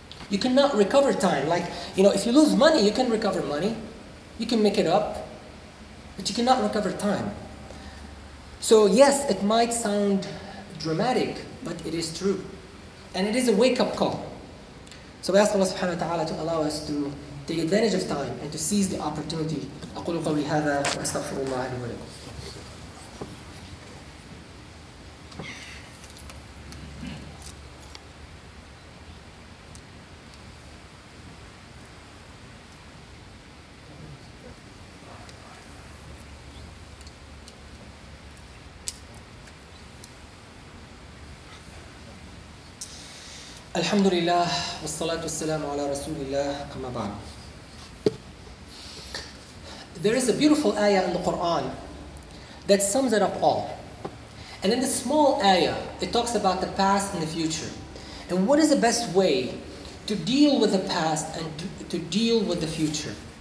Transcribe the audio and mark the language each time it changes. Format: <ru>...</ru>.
<en>You cannot recover time. Like, you know, if you lose money, you can recover money. You can make it up. But you cannot recover time. So yes, it might sound dramatic, but it is true. And it is a wake-up call. So we ask Allah subhanahu wa ta'ala to allow us to take advantage of time and to seize the opportunity.</en> <ar>أقول قولي هذا وأستغفر الله لي ولكم. الحمد لله والصلاة والسلام على رسول الله أما بعد.</ar> <en>There is a beautiful ayah in the Quran that sums it up all. And in the small ayah, it talks about the past and the future. And what is the best way to deal with the past and to deal with the future?</en>